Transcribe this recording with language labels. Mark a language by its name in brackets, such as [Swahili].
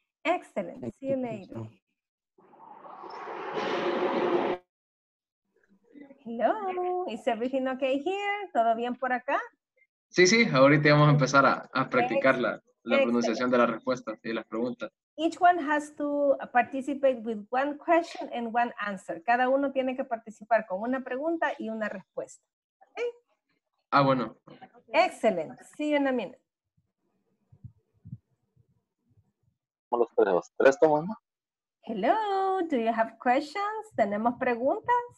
[English] Excellent. See you later. Hello, is everything okay here? [Spanish] ¿Todo bien por acá? Sí, sí, ahorita vamos a empezar a practicarla. La pronunciación de las respuestas y las preguntas. [English] Each one has to participate with one question and one answer. [Spanish] Cada uno tiene que participar con una pregunta y una respuesta. [English] ¿Okay? [Spanish] Ah, bueno. [English] Excellent. See you in a minute. [Spanish] ¿Cómo los tenemos? ¿Tres tomando? [English] Hello. Do you have questions? [Spanish] ¿Tenemos preguntas?